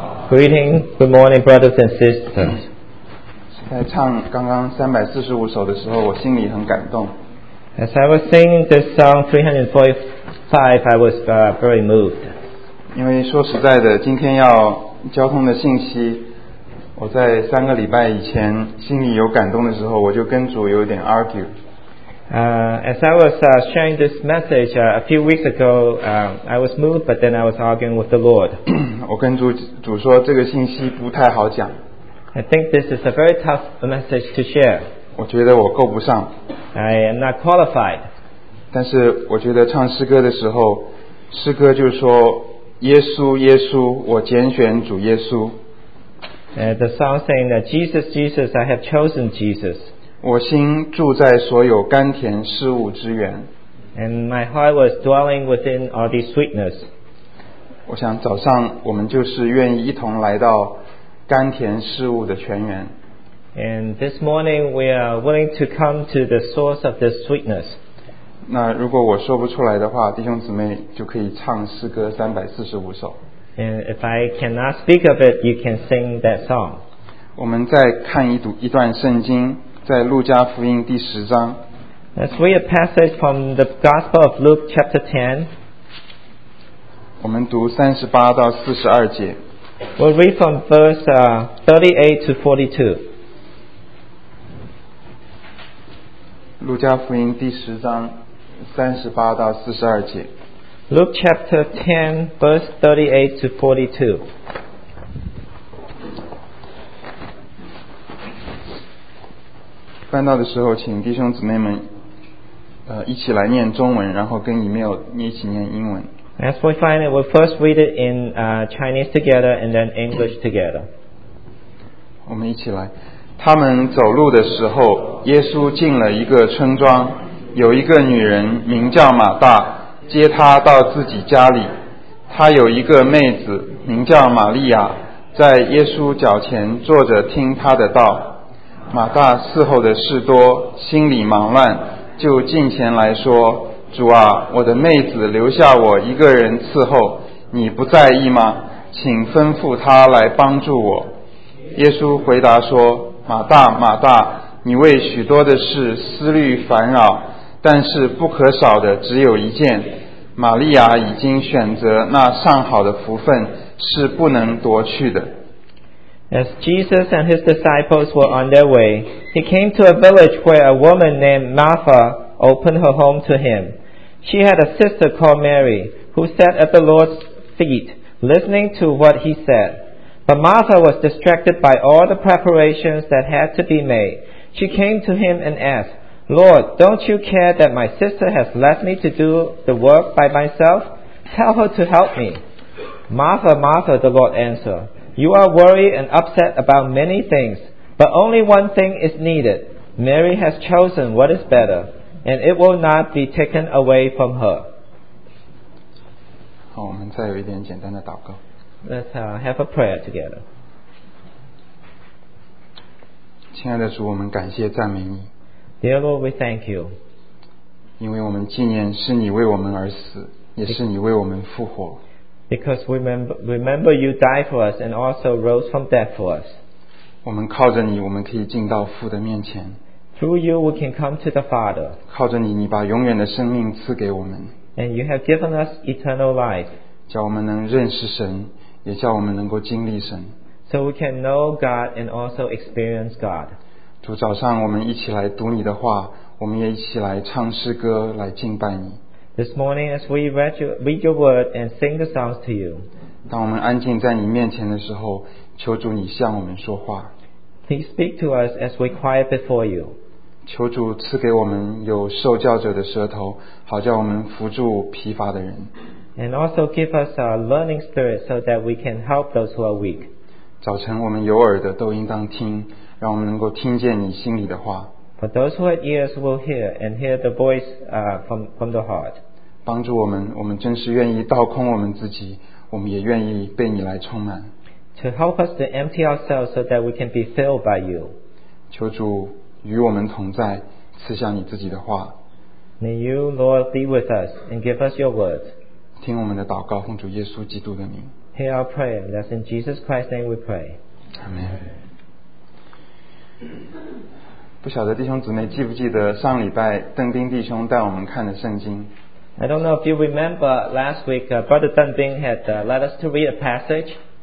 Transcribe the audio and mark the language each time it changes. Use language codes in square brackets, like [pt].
[en] Greeting, good morning, brothers and sisters. [zh] 在唱刚刚345首的时候，我心里很感动。 [en] As I was singing the song 345, I was very moved. [zh] 因为说实在的，今天要交通的信息，我在三个礼拜以前心里有感动的时候，我就跟主有点 [en] argue。 As I was sharing this message a few weeks ago, I was moved, but then I was arguing with the Lord. [zh] 我跟主说这个信息不太好讲。 [en] I think this is a very tough message to share. [zh] 我觉得我够不上。 [en] I am not qualified. [zh] 但是我觉得唱诗歌的时候，诗歌就说耶稣耶稣，我拣选主耶稣。 [en] The song saying that Jesus, Jesus, I have chosen Jesus. [zh] 我心住在所有甘甜事物之源。 [en] And my heart was dwelling within all the sweetness. [zh] 我想早上我们就是愿意一同来到甘甜事物的泉源。 [en] And this morning we are willing to come to the source of the sweetness. [zh] 那如果我说不出来的话，弟兄姊妹就可以唱诗歌345首。 [en] And if I cannot speak of it, you can sing that song. [zh] 我们再看一段圣经，在路加福音第十章。 [en] Let's read a passage from the Gospel of Luke chapter 10. [zh] 我们读38到42节。 [en] We'll read from verse 38 to 42. [zh] 路加福音第十章38到42节。 [en] Luke chapter 10, verse 38 to 42. [zh] 翻到的时候，请弟兄姊妹们，一起来念中文，然后跟email你一起念英文。 [en] As we find it, we'll first read it in Chinese together and then English together. [zh] 我们一起来。他们走路的时候，耶稣进了一个村庄，有一个女人名叫马大。接他到自己家里，他有一个妹子名叫玛利亚，在耶稣脚前坐着听他的道。马大伺候的事多，心里忙乱，就近前来说：主啊，我的妹子留下我一个人伺候，你不在意吗？请吩咐她来帮助我。耶稣回答说：马大，马大，你为许多的事思虑烦扰，但是不可少的只有一件，玛利亚已经选择那上好的福分，是不能夺去的。 [en] As Jesus and his disciples were on their way, he came to a village where a woman named Martha opened her home to him. She had a sister called Mary, who sat at the Lord's feet, listening to what he said. But Martha was distracted by all the preparations that had to be made. She came to him and asked,Lord, don't you care that my sister has left me to do the work by myself? Tell her to help me. Martha, Martha, the Lord answered, you are worried and upset about many things, but only one thing is needed. Mary has chosen what is better, and it will not be taken away from her. [zh] 好，我们再有一点简单的祷告。 [en] Let's have a prayer together. [zh] 亲爱的主，我们感谢赞美你。 [en] Dear Lord, we thank you. [zh] 因为我们纪念是你为我们而死，也是你为我们复活。 [en] Because we remember you died for us and also rose from death for us. [zh] 我们靠着你，我们可以进到父的面前。 [en] Through you, we can come to the Father. [zh] 靠着你，你把永远的生命赐给我们。 [en] And you have given us eternal life. [zh] 叫我们能认识神，也叫我们能够经历神。 [en] So we can know God and also experience God. [zh] 主，早上我们一起来读你的话，我们也一起来唱诗歌，来敬拜你。 [en] This morning, as we read your word and sing the songs to you, [zh] 当我们安静在你面前的时候，求主你向我们说话。 [en] Please speak to us as we quiet before you. [zh] 求主赐给我们有受教者的舌头，好叫我们扶助疲乏的人。 [en] And also give us a learning spirit so that we can help those who are weak. [zh] 早晨我们有耳的都应当听。让我们能够听见你心里的话。 [en] For those who have ears will hear and hear the voice from the heart. [zh] 帮助我们，我们真是愿意倒空我们自己，我们也愿意被你来充满。 [en] To help us to empty ourselves so that we can be filled by you. [zh] 求主与我们同在，赐下你自己的话。 [en] May you, Lord, be with us and give us your word. [zh] 听我们的祷告，奉主耶稣基督的名。 [en] Hear our prayer. That's in Jesus Christ's name we pray. Amen. [zh] 不晓得弟兄姊妹记不记得上礼拜邓丁弟兄带我们看的圣经。 [en] I don't know if you remember last week, Brother Deng Bing had led us to read a passage.